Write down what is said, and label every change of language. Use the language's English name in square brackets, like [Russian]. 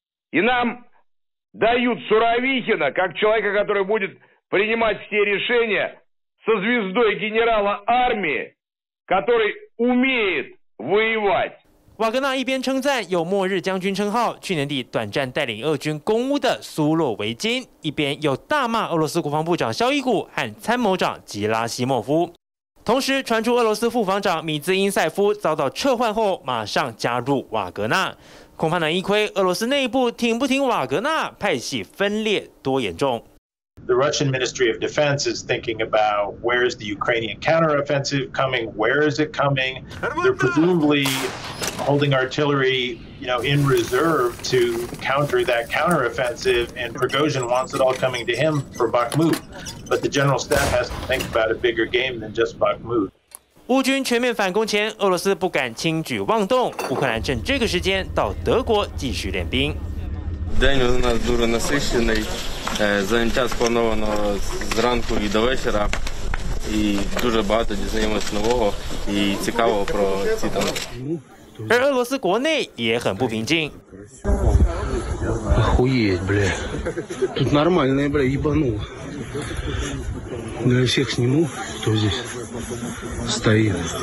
[Russian] И нам дают Суровихина как человека, который будет принимать все решения со звездой генерала армии, который умеет воевать. [Chinese] 瓦格纳一边称赞有末日将军称号，去年底短暂带领俄军攻乌的苏洛维金，一边又大骂俄罗斯国防部长肖伊古和参谋长吉拉西莫夫。同时传出俄罗斯副防长米兹因塞夫遭到撤换后马上加入瓦格纳，恐怕能一窥俄罗斯内部挺不挺瓦格纳派系分裂多严重。 [English] The Russian Ministry of Defense is thinking about where is the Ukrainian counteroffensive coming, where is it coming, they're presumably holding artillery, you know, in reserve to counter that counteroffensive, and Prigozhin wants it all coming to him for Bakhmut. But the general staff has to think about a bigger game than just Bakhmut. [Chinese] 乌军全面反攻前，俄罗斯不敢轻举妄动。乌克兰趁这个时间到德国继续练兵。 [Ukrainian] День у нас дуже насичений, Заняття сплановано зранку і до вечора. І дуже багато дізнаємось нового і цікавого про ці там. [Chinese] 而俄罗斯国内也很不平静。 [Russian] охуеть, бля. Тут нормальные, бля, ебану. Для всех сниму, кто здесь стоит.